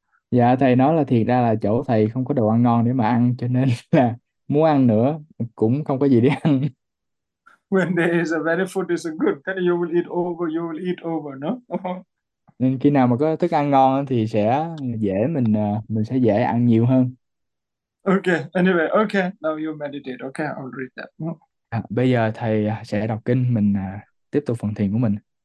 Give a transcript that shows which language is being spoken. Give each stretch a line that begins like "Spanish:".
Vietnamese: Dạ thầy nói là thiệt ra là chỗ thầy không có đồ ăn ngon để mà ăn, cho nên là muốn ăn nữa cũng không có gì để ăn.
English: When there is a very food is a good, then you will eat over,
Vietnamese: Nên khi nào mà có thức ăn ngon thì sẽ dễ mình sẽ dễ ăn nhiều hơn.
English: Okay, anyway, okay, now you meditate, okay, I'll read that.
Vietnamese: À, bây giờ thầy sẽ đọc kinh, mình tiếp tục phần thiền của mình.